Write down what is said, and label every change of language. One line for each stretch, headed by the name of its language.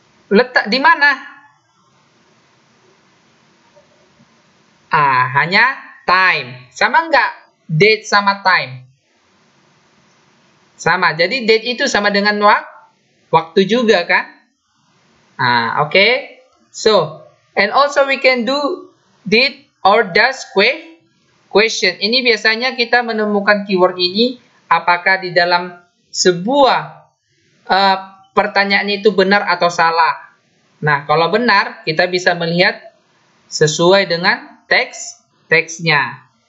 Indonesian: Letak di mana? Hanya time. Sama enggak date sama time? Sama. Jadi date itu sama dengan waktu juga kan? Okay.
English: So, and also we can do did or does question.
Indonesian: Ini biasanya kita menemukan keyword ini apakah di dalam sebuah pertanyaan itu benar atau salah. Nah, kalau benar, kita bisa melihat sesuai dengan teksnya.